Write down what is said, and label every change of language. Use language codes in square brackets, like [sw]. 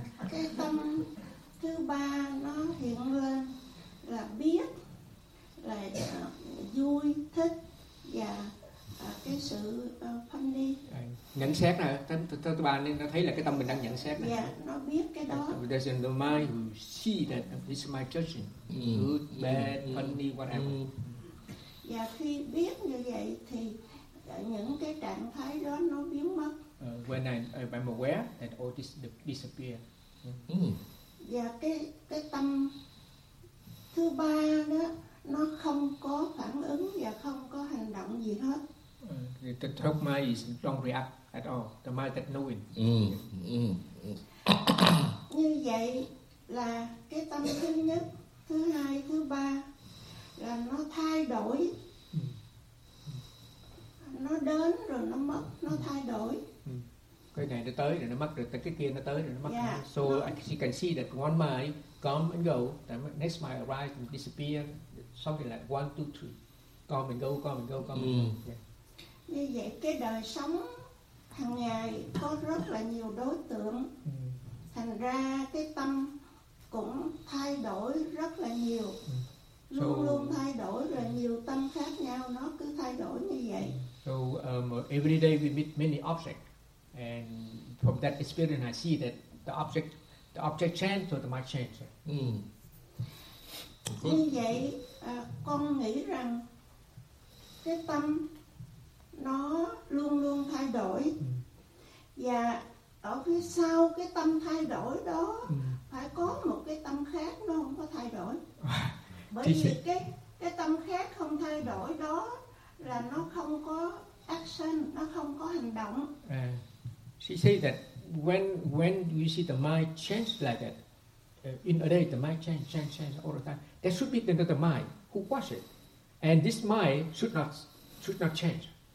[vi] Cái tâm thứ ba nó hiện lên là biết, là vui, thích và cái sự funny. Nhận xét nè, thứ ba nên nó thấy là cái tâm mình đang nhận xét nè. Yeah, nó biết cái đó. [en] There's in the mind who see that this is my judging. Good, bad, funny, whatever. [vi] Và khi biết như vậy thì những cái trạng thái đó nó biến mất. [en] When I'm aware that all this disappear. Yeah. Mm. [vi] Và cái tâm thứ ba đó nó không có phản ứng và không có hành động gì hết. [en] The third mind is don't react at all. The mind that knowing. Mm. Mm. [vi] Như vậy là cái tâm thứ nhất, thứ hai, thứ ba là nó thay đổi. Nó đến rồi nó mất, nó thay đổi. Cái này nó tới rồi nó mất, rồi cái kia nó tới rồi nó mất. [en] Yeah. So no. She can see that one mind come and go, the next mind arrives and disappears, something like 1, 2, 3. Come and go, come and go, come and go. Yeah. [vi] Như vậy cái đời sống hàng ngày có rất là nhiều đối tượng. Thành ra cái tâm cũng thay đổi rất là nhiều. Luôn luôn thay đổi, rồi nhiều tâm khác nhau nó cứ thay đổi như vậy. [en] So every day we meet many objects, and from that experience I see that the object change, so the mind change. Mm. Okay. [vi] Như vậy, con nghĩ rằng cái tâm nó luôn luôn thay đổi, và ở phía sau cái tâm thay đổi đó phải có một cái tâm khác nó không có thay đổi. Bởi vì cái tâm khác không thay đổi đó là nó không có action, nó không có hành động. [en] She say that when you see the mind change like that, in a day the mind change all the time, there should be another mind who watch it, and this mind should not change.